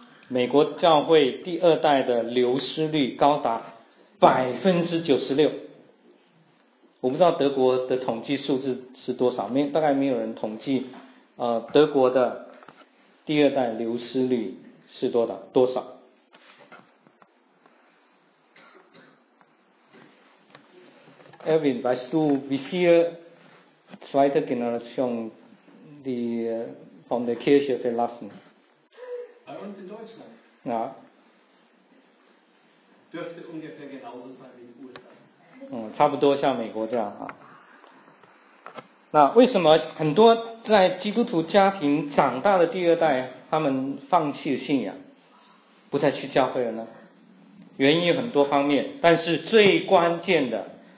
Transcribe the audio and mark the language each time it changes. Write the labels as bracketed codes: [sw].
[zh] 美国教会第二代的流失率高达96%。我不知道德国的统计数字是多少，大概没有人统计德国的第二代流失率是多少。 [de] Evan, weißt du, wie viel zweite Generation die von der Kirche verlassen? Bei uns in Deutschland? Ja. Dürfte ungefähr genauso sein wie in den USA. [zh] 差不多像美国这样啊。那为什么很多在基督徒家庭长大的第二代他们放弃了信仰不再去教会了呢？原因有很多方面，但是最关键的